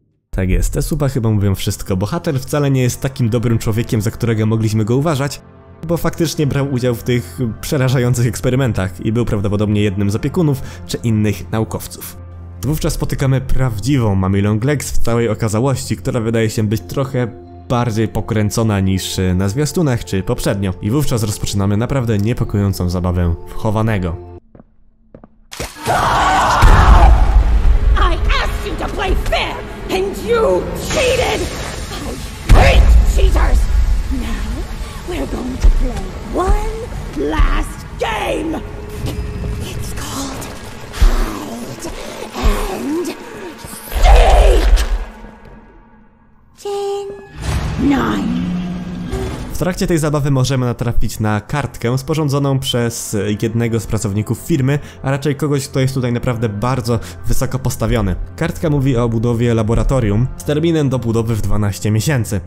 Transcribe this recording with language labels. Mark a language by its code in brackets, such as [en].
[pl] Tak jest, te słupa chyba mówią wszystko. Bohater wcale nie jest takim dobrym człowiekiem, za którego mogliśmy go uważać, bo faktycznie brał udział w tych przerażających eksperymentach i był prawdopodobnie jednym z opiekunów czy innych naukowców. Wówczas spotykamy prawdziwą Mommy Long Legs w całej okazałości, która wydaje się być trochę bardziej pokręcona niż na zwiastunach czy poprzednio. I wówczas rozpoczynamy naprawdę niepokojącą zabawę w chowanego. [en] I asked you to play fair and you cheated! I hate cheaters! Now we're going to play one last game! It's called Hide and Seek! 10, 9. [pl] W trakcie tej zabawy możemy natrafić na kartkę sporządzoną przez jednego z pracowników firmy, a raczej kogoś, kto jest tutaj naprawdę bardzo wysoko postawiony. Kartka mówi o budowie laboratorium z terminem do budowy w 12 miesięcy.